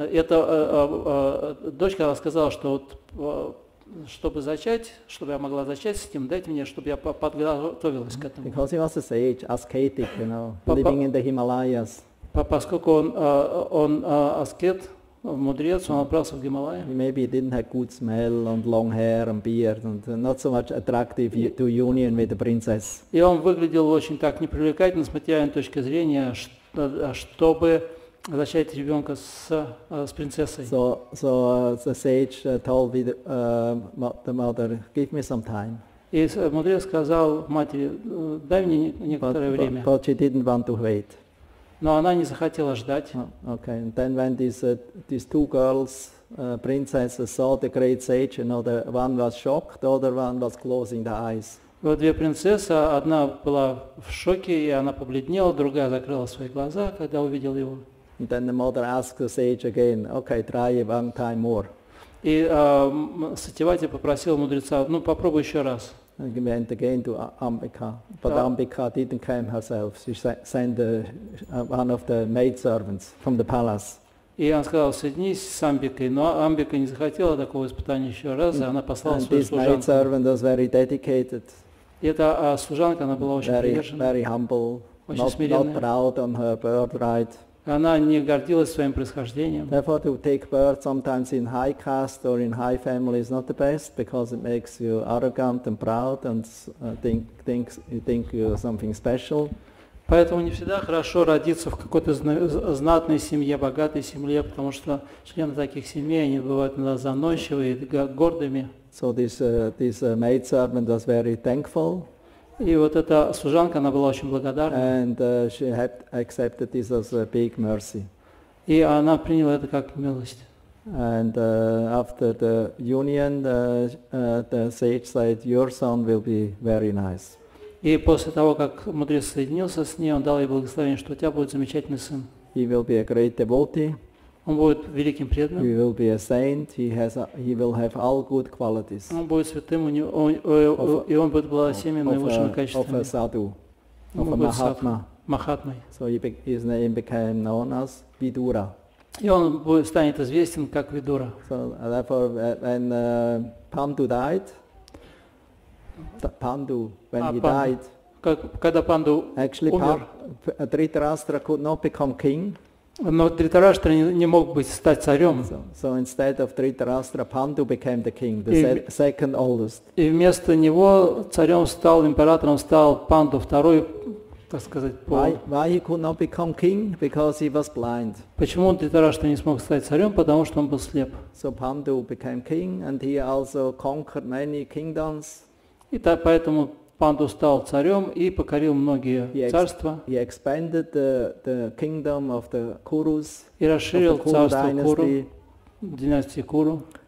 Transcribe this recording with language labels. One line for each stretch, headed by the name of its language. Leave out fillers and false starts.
Russian: Дочка сказала, что вот, чтобы зачать, чтобы я могла зачать с ним, дайте мне, чтобы я подготовилась к этому.
English: Because he was a sage, ascetic, you know, living in the Himalayas.
Russian: Поскольку он аскет, мудрец, он отправился в Гималаи.
English: He maybe didn't have good smell and long hair and beard and not so much attractive to union with the princess.
Russian: И он выглядел очень так непривлекательно с материальной точки зрения, чтобы зачать ребенка с принцессой.
English: So the sage told the mother, give me some time.
Russian: И мудрец сказал матери, дай мне некоторое время.
English: But she didn't want to wait.
Russian: Но она не захотела ждать.
English: Okay, and then when these two girls, princesses, saw the great sage, you know, the one was shocked, the other one was closing the eyes.
Russian: Вот две принцессы, одна была в шоке, и она побледнела, другая закрыла свои глаза, когда увидела его.
English: And then the mother asked the sage again, okay, try one time more.
Russian: И Сативати попросил мудреца, ну попробуй еще раз.
English: And he went again to Ambika, but Ambika didn't come herself. She sent one of the maid servants from the palace.
Russian: И он сказал, соединись с Амбикой, но Амбика не захотела такого испытания еще раз, и она послала
English: and
Russian: свою служанку.
English: This maid servant was very dedicated.
Russian: И эта служанка, она была очень приверженная.
English: Very humble,
Russian: очень смиренная.
English: Not proud on her birthright.
Russian: Она не гордилась своим происхождением.
English: Therefore, to take birth sometimes in high caste or in high family is not the best, because it makes you arrogant and proud and think you are something special.
Russian: Поэтому не всегда хорошо родиться в какой-то знатной семье, богатой семье, потому что члены таких семей, они бывают иногда заносчивые, гордыми.
English: So this maid servant was very thankful.
Russian: И вот эта служанка, она была очень благодарна.
English: And she had accepted this as a big mercy.
Russian: И она приняла это как милость.
English: And after the union, the sage said, your son will be very nice.
Russian: И после того, как мудрец соединился с ней, он дал ей благословение, что у тебя будет замечательный сын.
English: He will be a great devotee.
Russian: Он будет великим преданным.
English: He will be a saint. He will have all good qualities.
Russian: Он будет святым, и он будет благословенным наилучшими качествами.
English: Of a sadhu. Of a mahatma.
Russian: Mahatmai.
English: So his name became known as Vidura.
Russian: И он станет известен как Видура.
English: So therefore, when Pandu died, Dhritarashtra could not become king.
Russian: Но Дритараштра не мог быть стать царем.
English: So instead of Dhritarashtra, Pandu became the king, the second oldest.
Russian: И вместо него царем стал императором стал Панду второй, так сказать.
English: Why he could not become king? Because he was blind.
Russian: Почему Дритараштра не смог стать царем, потому что он был слеп.
English: So Pandu became king, and he also conquered many kingdoms.
Russian: И так поэтому Панду стал царем и покорил многие царства.
English: He expanded the kingdom of the Kurus.
Russian: И расширил царство Куру, династии Куру.